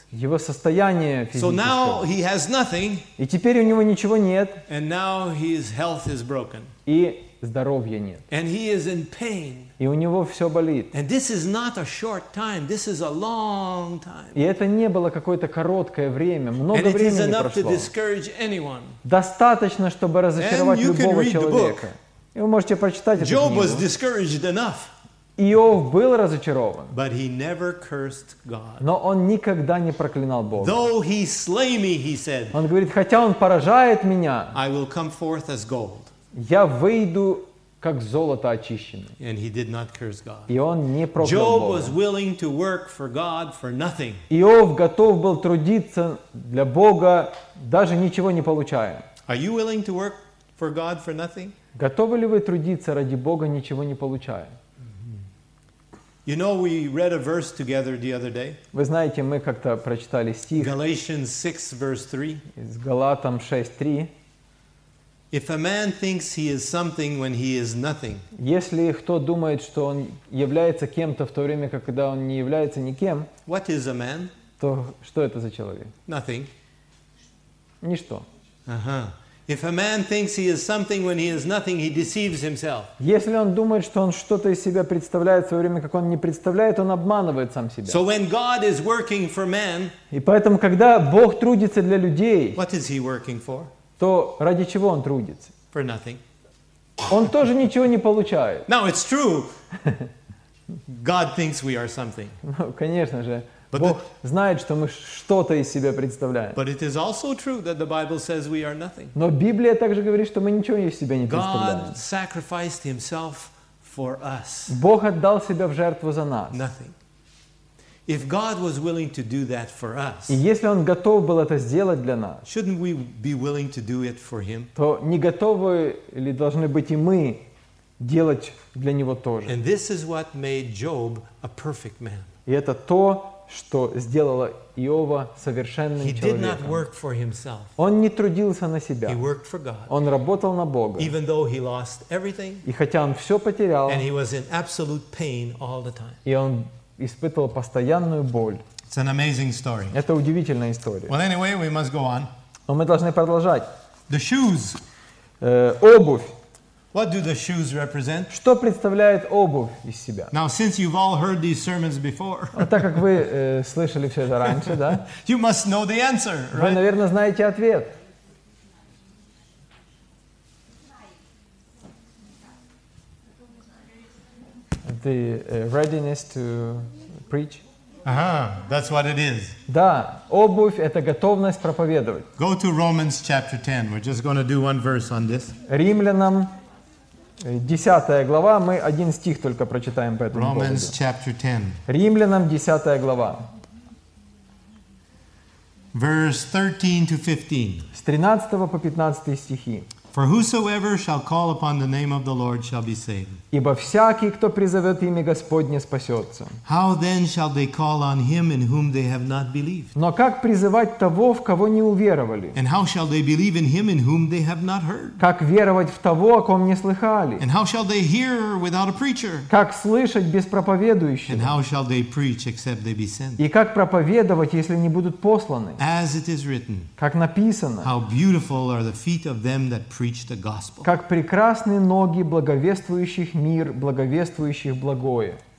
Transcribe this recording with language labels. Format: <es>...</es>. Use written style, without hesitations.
<ru>Его состояние физическое.</ru> <en>So now he has nothing.</en> <ru>И теперь у него ничего нет.</ru> <en>And now his health is broken.</en> <ru>И здоровья нет.</ru> <en>And he is in pain.</en> <ru>И у него все болит.</ru> <en>And this is not a short time, this is a long time.</en> <ru>И это не было какое-то короткое время, много времени прошло.</ru> <en>And it is enough to discourage anyone.</en> <ru>Достаточно, чтобы разочаровать любого человека. И вы можете прочитать эту книгу.</ru> <en>Job was discouraged enough.</en> <ru>Иов был разочарован.</ru> <en>But he never cursed God.</en> <ru>Но он никогда не проклинал Бога.</ru> <en>Though he slay me, he said.</en> <ru>Он говорит, хотя он поражает меня.</ru> <en>I will come forth as gold.</en> <ru>Я выйду, как золото очищенное.</ru> <en>And he did not curse God.</en> <ru>И он не проклял Бога.</ru> <en>Was willing to work for God for nothing.</en> <ru>Иов готов был трудиться для Бога, даже ничего не получая.</ru> <en>Are you willing to work for God for nothing?</en> <ru>Готовы ли вы трудиться ради Бога, ничего не получая?</ru> <en>You know, we read a verse together the other day.</en> <ru>Вы знаете, мы как-то прочитали стих.</ru> <en>Galatians 6, verse 3.</en> <ru>Из Галатам 6:3.</ru> <en>If a man thinks he is something when he is nothing.</en> <ru>Если кто думает, что он является кем-то в то время, когда он не является никем.</ru> <en>What is a man?</en> <ru>То что это за человек?</ru> <en>Nothing.</en> <ru>Ничто.</ru> <en>If a man thinks he is something when he is nothing, he deceives himself.</en> <ru>Если он думает, что он что-то из себя представляет в то время, как он не представляет, он обманывает сам себя.</ru> <en>So when God is working for man.</en> <ru>И поэтому, когда Бог трудится для людей.</ru> <en>What is he working for?</en> <ru>То ради чего он трудится?</ru> <en>For nothing.</en> <ru>Он тоже ничего не получает.</ru> <en>Now it's true. God thinks we are something.</en> <ru>Ну, конечно же, Бог знает, что мы что-то из себя представляем.</ru> <en>But it is also true that the Bible says we are nothing.</en> <ru>Но Библия также говорит, что мы ничего из себя не представляем.</ru> <en>God sacrificed himself for us.</en> <ru>Бог отдал себя в жертву за нас.</ru> <en>Nothing. If God was willing to do that for us,</en> <ru>и если Он готов был это сделать для нас,</ru> <en>shouldn't we be willing to do it for Him?</en> <ru>То не готовы ли должны быть и мы делать для Него тоже?</ru> <en>And this is what made Job a perfect man.</en> <ru>И это то, что сделало Иова совершенным человеком. Он не трудился на себя.</ru> <en>He worked for God.</en> <ru>Он работал на Бога.</ru> <en>Even though he lost everything,</en> <ru>и хотя он все потерял,</ru> <en>and he was in absolute pain all the time.</en> <ru>И он испытывал постоянную боль.</ru> <en>It's an amazing story.</en> <ru>Это удивительная история.</ru> <en>Well, anyway, we must go on.</en> <ru>Но мы должны продолжать.</ru> <en>The shoes.</en> <ru>Обувь.</ru> <en>What do the shoes represent?</en> <ru>Что представляет обувь из себя?</ru> <en>Now, since you've all heard these sermons before,</en> <ru>так как вы слышали все это раньше, да?</ru> <en>You must know the answer, right?</en> <ru>Вы, наверное, знаете ответ.</ru> <en>The readiness to preach.</en> <ru>Ага,</ru> <en>that's what it is.</en> <ru>Да, обувь – это готовность проповедовать.</ru> <en>Go to Romans chapter 10. We're just going to do one verse on this.</en> <ru>Римлянам 10 глава, мы один стих только прочитаем по этому поводу.</ru> <en>Romans chapter 10.</en> <ru>Римлянам 10 глава.</ru> <en>Verse 13 to 15.</en> <ru>С 13 по 15 стихи.</ru> <en>For whosoever shall call upon the name of the Lord shall be saved.</en> <ru>Ибо всякий, кто призовет имя Господне, спасется.</ru> <en>How then shall they call on him in whom they have not believed?</en> <ru>Но как призывать того, в кого не уверовали?</ru> <en>And how shall they believe in him in whom they have not heard?</en> <ru>Как веровать в того, о ком не слыхали?</ru> <en>And how shall they hear without a preacher?</en> <ru>Как слышать без проповедующего?</ru> <en>And how shall they preach except they be sent?</en> <ru>И как проповедовать, если не будут посланы?</ru> <en>As it is written.</en> <ru>Как написано.</ru> <en>How beautiful are the feet of them that preach the gospel.</en> <ru>Как прекрасны ноги благовествующих мир, благовествующих благое.</ru>